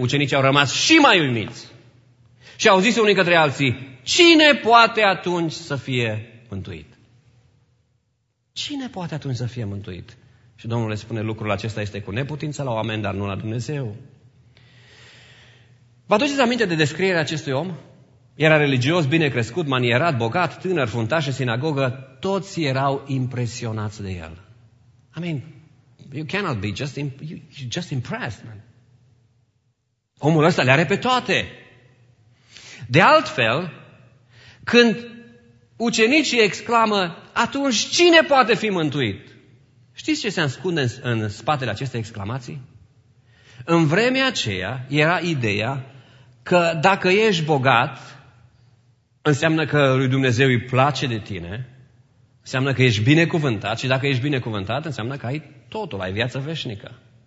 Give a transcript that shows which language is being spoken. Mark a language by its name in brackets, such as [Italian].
[Romanian] Ucenicii au rămas și mai uimiți. Și au zis unii către alții, cine poate atunci să fie mântuit? Cine poate atunci să fie mântuit? Și Domnul le spune, lucrul acesta este cu neputință la oameni, dar nu la Dumnezeu. Vă aduceți aminte de descrierea acestui om? Era religios, bine crescut, manierat, bogat, tânăr, fruntaș și sinagogă. Toți erau impresionați de el. [English] I mean, you cannot be just impressed, man. [Romanian] Omul ăsta le are pe toate. De altfel, când ucenicii exclamă, atunci cine poate fi mântuit? Știți ce se ascunde în spatele acestei exclamații? În vremea aceea era ideea că dacă ești bogat, înseamnă că lui Dumnezeu îi place de tine, înseamnă că ești binecuvântat și dacă ești binecuvântat, înseamnă că ai totul, ai viață veșnică.